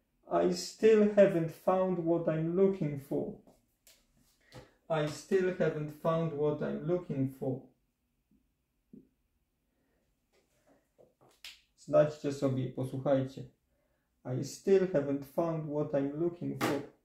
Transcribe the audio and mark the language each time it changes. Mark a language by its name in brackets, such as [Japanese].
[English] I still haven't found what I'm looking for. I still haven't found what I'm looking for. [Polish] Znajdźcie sobie, posłuchajcie. [English] I still haven't found what I'm looking for.